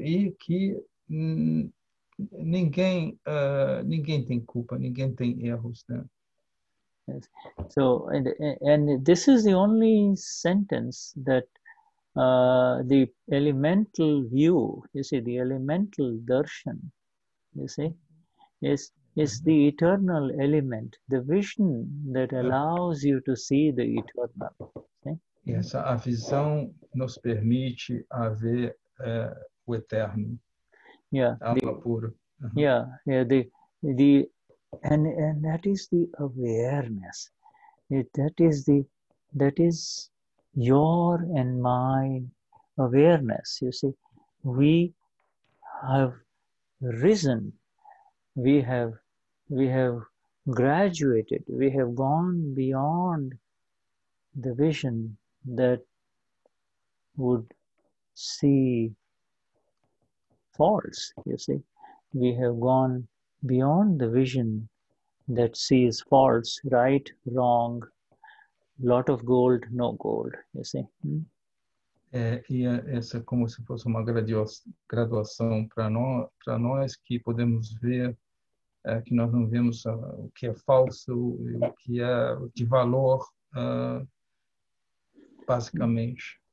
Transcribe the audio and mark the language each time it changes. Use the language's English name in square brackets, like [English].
[Portuguese] E que ninguém tem culpa, ninguém tem erros, né? [English] Yes. So, and this is the only sentence that the elemental view, you see, the elemental darshan, you see, is the eternal element, the vision that allows you to see the eternal. See? [Portuguese] Yes, a visão nos permite a ver o eterno. [English] Yeah. [Portuguese] Alma pura. [English] Uh-huh. The And that is the awareness. That is your and my awareness. You see, we have risen. We have graduated. We have gone beyond the vision that would see faults. You see, we have gone beyond the vision that sees faults, right, wrong, lot of gold, no gold, you see. [Portuguese] Essa é como se fosse uma graduação para nós que podemos ver que nós não vemos o que é falso e o que é de valor, basicamente.